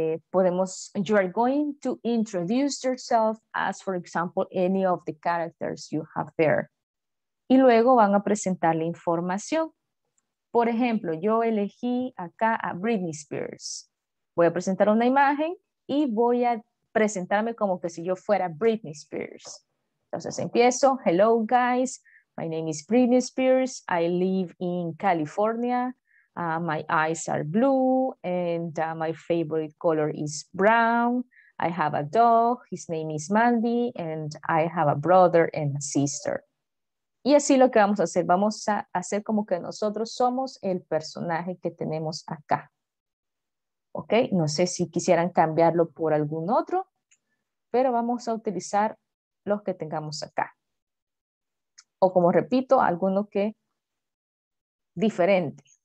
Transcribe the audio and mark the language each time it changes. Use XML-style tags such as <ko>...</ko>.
<es>Podemos,</es> <en>you are going to introduce yourself as, for example, any of the characters you have there.</en> <es>Y luego van a presentar la información. Por ejemplo, yo elegí acá a Britney Spears. Voy a presentar una imagen y voy a presentarme como que si yo fuera Britney Spears. Entonces empiezo.</es> <en>Hello guys, my name is Britney Spears. I live in California. My eyes are blue and my favorite color is brown. I have a dog. His name is Mandy and I have a brother and a sister.</en> <es>Y así lo que vamos a hacer, vamos a hacer como que nosotros somos el personaje que tenemos acá. Ok, no sé si quisieran cambiarlo por algún otro, pero vamos a utilizar los que tengamos acá. O como repito, alguno que diferente.</es>